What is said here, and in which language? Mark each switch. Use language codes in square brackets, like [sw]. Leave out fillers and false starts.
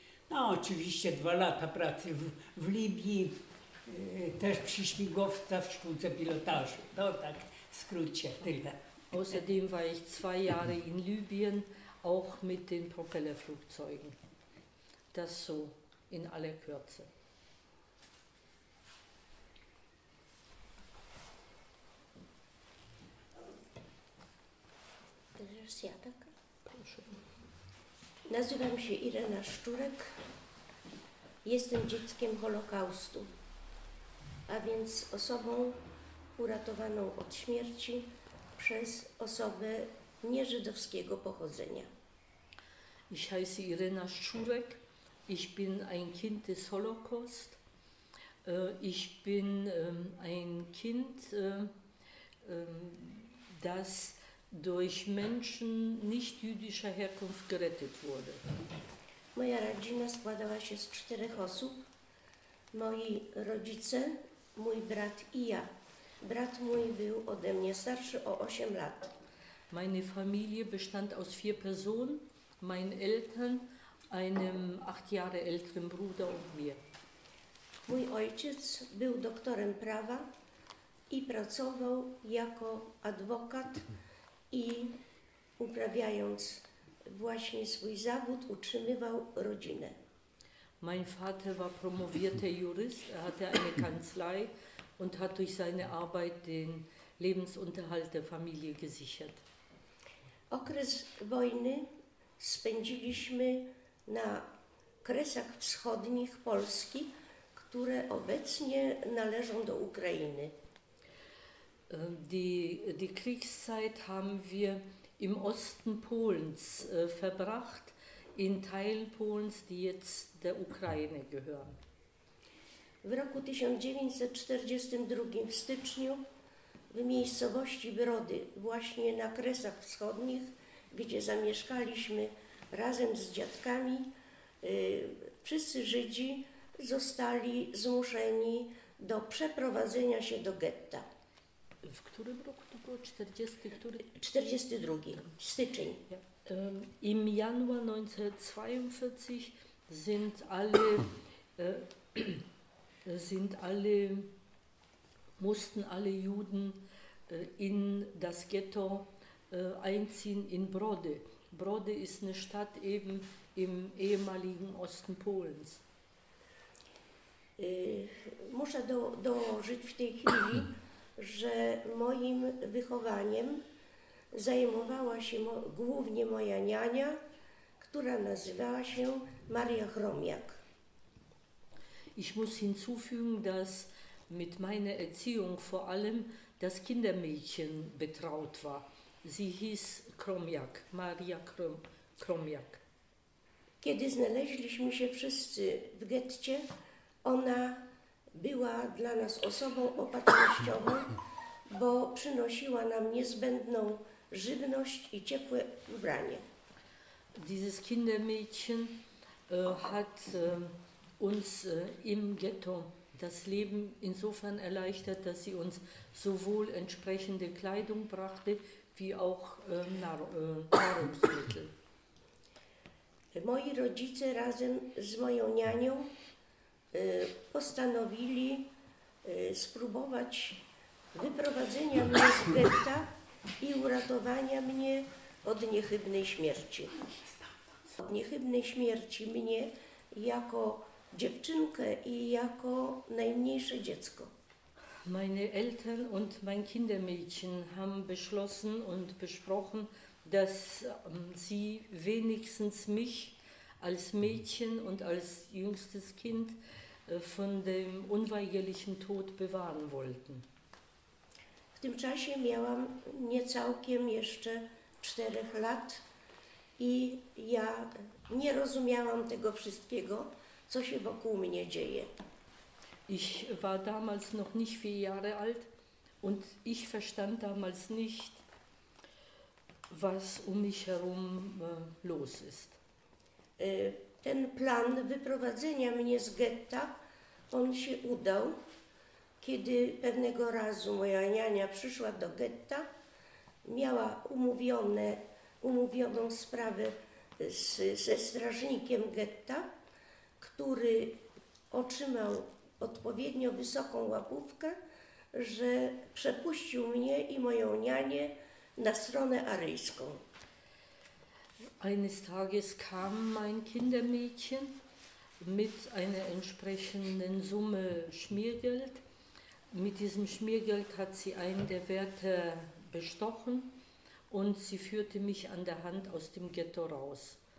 [pl] No oczywiście 2 lata pracy w Libii, też przy śmigłowcach w szkółce pilotażu. No tak. Skrócie, tyle. [de] Außerdem war ich 2 Jahre in Libyen, auch mit den Propellerflugzeugen. Das so in aller Kürze. [pl] Teraz ja, tak? Proszę. Nazywam się Irena Szczurek. Jestem dzieckiem Holokaustu, a więc osobą uratowaną od śmierci przez osobę nieżydowskiego pochodzenia. [de] Ich heiße Irena Szczurek, Ich bin ein Kind des Holocaust. Ich bin ein Kind, das durch Menschen nicht jüdischer Herkunft gerettet wurde. [pl] Moja rodzina składała się z czterech osób. Moi rodzice, mój brat i ja. Brat mój był ode mnie starszy o 8 lat. [de] Meine Familie bestand aus 4 Personen, meinen Eltern, einem 8 Jahre älteren Bruder und mir. [pl] Mój ojciec był doktorem prawa i pracował jako adwokat i uprawiając właśnie swój zawód utrzymywał rodzinę. [de] Mein Vater war promovierter Jurist, er hatte eine Kanzlei und hat durch seine Arbeit den Lebensunterhalt der Familie gesichert. [pl] Okres wojny spędziliśmy na kresach wschodnich Polski, które obecnie należą do Ukrainy. [de] Die Kriegszeit haben wir im Osten Polens verbracht, in Teilen Polens, die jetzt der Ukraine gehören. [pl] W roku 1942 w styczniu w miejscowości Brody, właśnie na kresach wschodnich, gdzie zamieszkaliśmy razem z dziadkami, wszyscy Żydzi zostali zmuszeni do przeprowadzenia się do getta. W którym roku to było? 40, który? 42, styczeń. [de] Im Januar 1942 mussten alle Juden in das Ghetto einziehen in Brody. Brody ist eine Stadt eben im ehemaligen Osten Polens. [pl] Muszę dołożyć w tej chwili, że moim wychowaniem zajmowała się głównie moja niania, która nazywała się Maria Chromiak. [de] Ich muss hinzufügen, dass mit meiner Erziehung vor allem das Kindermädchen betraut war. Sie hieß Chromiak, Maria Chromiak. [pl] Kiedy znaleźliśmy się wszyscy w getcie, ona była dla nas osobą opatrznościową, bo przynosiła nam niezbędną żywność i ciepłe ubranie. [de] Dieses Kindermädchen hat uns im Ghetto das Leben insofern erleichtert, dass sie uns sowohl entsprechende Kleidung brachte, wie auch Nahrungsmittel. [pl] Moi rodzice razem z moją nianią postanowili spróbować wyprowadzenia mnie z getta i uratowania mnie od niechybnej śmierci. Od niechybnej śmierci mnie jako dziewczynkę i jako najmniejsze dziecko. [de] Meine Eltern und mein Kindermädchen haben beschlossen und besprochen, dass sie wenigstens mich als Mädchen und als jüngstes Kind von dem unweigerlichen Tod bewahren wollten. [pl] W tym czasie miałam niecałkiem jeszcze 4 lat i ja nie rozumiałam tego wszystkiego, co się wokół mnie dzieje. [de] Ich war damals noch nicht 4 Jahre alt und ich verstand damals nicht, was um mich herum los ist. [pl] Ten plan wyprowadzenia mnie z getta, on się udał, kiedy pewnego razu moja niania przyszła do getta, miała umówioną sprawę ze strażnikiem getta, który otrzymał odpowiednio wysoką łapówkę, że przepuścił mnie i moją nianię na stronę aryjską. [de] Eines Tages kam mein Kindermädchen mit einer entsprechenden Summe Schmiergeld. Mit diesem Schmiergeld hat sie einen der Wärter bestochen und sie führte mich an der Hand aus dem Ghetto raus.